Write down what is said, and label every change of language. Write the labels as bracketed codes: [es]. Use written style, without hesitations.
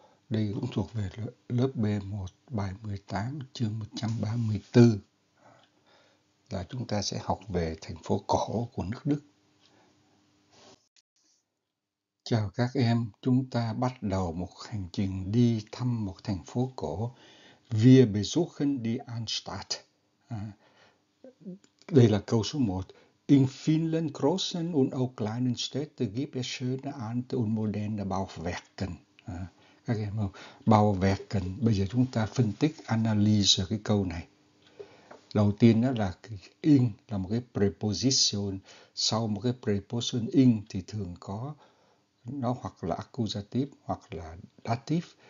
[vi] Đây cũng thuộc về lớp B1 bài 18 chương 134. Là chúng ta sẽ học về thành phố cổ của nước Đức. Chào các em, chúng ta bắt đầu một hành trình đi thăm một thành phố cổ. [de] Wir besuchen die Altstadt. [vi] Đây là câu số 1. [de] In vielen großen und auch kleinen Städten gibt es schöne alte und moderne Bauwerke. [vi] Các em không? Bauwerke. Bây giờ chúng ta phân tích, analyze cái câu này. Đầu tiên đó là in là một cái preposition. Sau một cái preposition in thì thường có nó hoặc là accusative hoặc là dative.